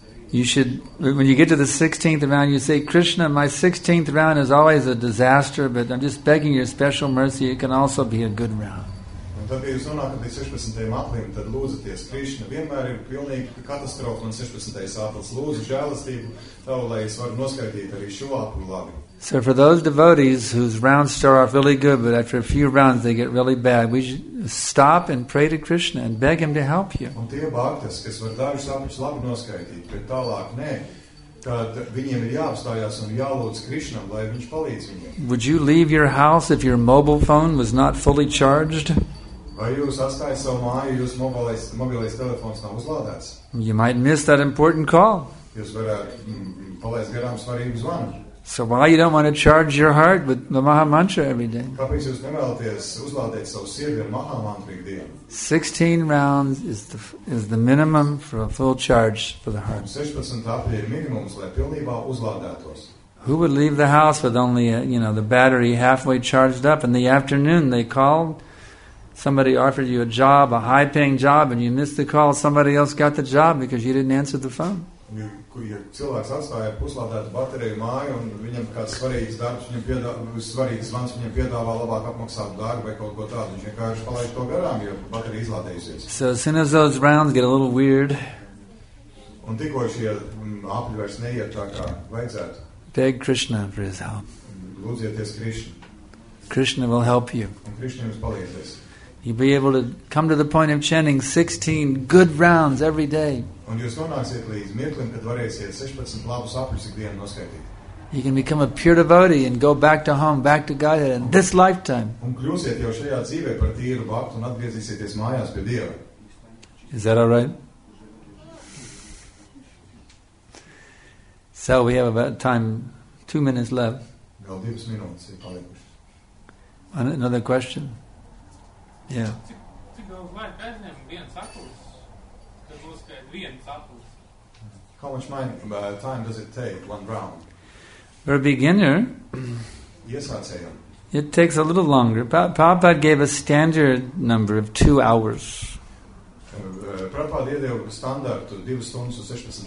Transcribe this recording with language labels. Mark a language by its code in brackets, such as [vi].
[en] You should, when you get to the 16th round, you say, Krishna, my 16th round is always a disaster, but I'm just begging your special mercy, it can also be a good round. [lv] Tad, ja jūs nonākat līdz 16. aplim, tad lūdzaties, Krišna, vienmēr ir pilnīgi katastrofa un 16. aplis. Lūdzu žēlistību tev, lai es varu noskaitīt arī šo aplu labi. [en] So for those devotees whose rounds start off really good, but after a few rounds they get really bad, we stop and pray to Krishna and beg him to help you. [lv] Un tie bhaktas, kas var dažus aplis labi noskaitīt, bet tālāk nē, kad viņiem ir jāapstājās un jālūdz Krišnam, lai viņš palīdz viņiem. [en] Would you leave your house if your mobile phone was not fully charged? [lv] Vai jūs atstājat savu māju, jūs mobilais telefons nav uzlādēts? [en] You might miss that important call. [lv] Jūs varētu palaist garām svarīgu zvanu. [en] So why you don't want to charge your heart with the Maha Mantra every day? [lv] Kāpēc jūs nevēlaties uzlādēt savu sirdi ar Maha Mantra ikdien? [en] 16 rounds is the minimum for a full charge for the heart. [lv] 16 apļi ir minimums, lai pilnībā uzlādētos. [en] Who would leave the house with only, the battery halfway charged up? In the afternoon they called, somebody offered you a job, a high-paying job, and you missed the call, somebody else got the job because you didn't answer the phone. [lv] Ja cilvēks atstāja puslādētu bateriju māju, un viņam kāds svarīgs darbs, viņam svarīgs zvans viņam piedāvā labāk apmaksātu darbu vai kaut ko tādu, viņš vienkārši palaiž to garām, jo baterija izlādējusies. [en] So as soon as those rounds get a little weird, [lv] un tikko šie apļi vairs neiet tā, kā vajadzētu, [en] beg Krishna for his help. [lv] Lūdzieties Krishna. [en] Krishna will help you. [lv] Un Krishna jums palīdzēs. [en] You'll be able to come to the point of chanting 16 good rounds every day. [lv] Un jūs nonāksiet līdz mirklim, kad varēsiet 16 labus aplis ikdienu noskaitīt. [en] You can become a pure devotee and go back to home, back to Godhead in this lifetime. [lv] Un kļūsiet jau šajā dzīvē par tīru bhaktu un atgriezīsieties mājās pie Dieva. [en] Is that all right? So we have about time, 2 minutes left. [lv] Vēl 2 minūtes ir palikušas. [en] Another question? Yeah. [lv] Cik daudz laika aizņem viens akuls? Tad būs kāds viens akuls. [en] How much time does it take, one round? For a beginner, yes, I'd say. It takes a little longer. Prabhupada gave a standard number of 2 hours. [lv] Prabhupada iedeva standartu 2 stundas un 16